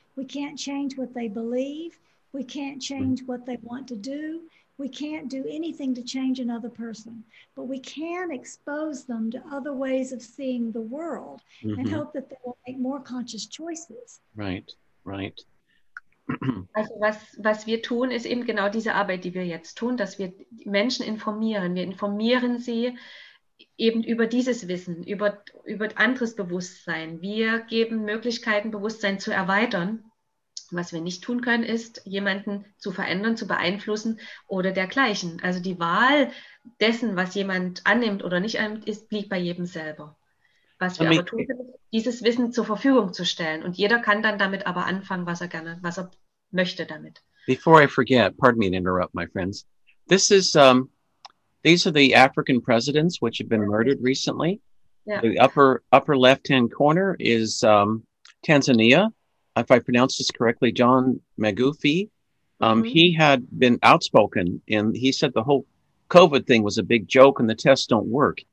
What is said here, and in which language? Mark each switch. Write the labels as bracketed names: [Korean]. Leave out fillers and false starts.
[English] We can't change what they believe. We can't change what they want to do. We can't do anything to change another person. But we can expose them to other ways of seeing the world and hope that they will make more conscious choices. Right, right. [German] Also was wir tun, ist eben genau diese Arbeit, die wir jetzt tun, dass wir Menschen informieren. Wir informieren sie eben über dieses Wissen, über anderes Bewusstsein. Wir geben Möglichkeiten, Bewusstsein zu erweitern. Was wir nicht tun können, ist, jemanden zu verändern, zu beeinflussen oder dergleichen. Also die Wahl dessen, was jemand annimmt oder nicht annimmt, ist, liegt bei jedem selber. Was wir aber tun können, ist, dieses Wissen zur Verfügung zu stellen. Und jeder kann dann damit aber anfangen, was er gerne, was er möchte damit. [English] Before I forget, pardon me to interrupt, my friends. This is... These are the African presidents, which have been murdered recently. Yeah. The upper left-hand corner is Tanzania. If I pronounce this correctly, John Magufi. He had been outspoken, and he said the whole COVID thing was a big joke and the tests don't work.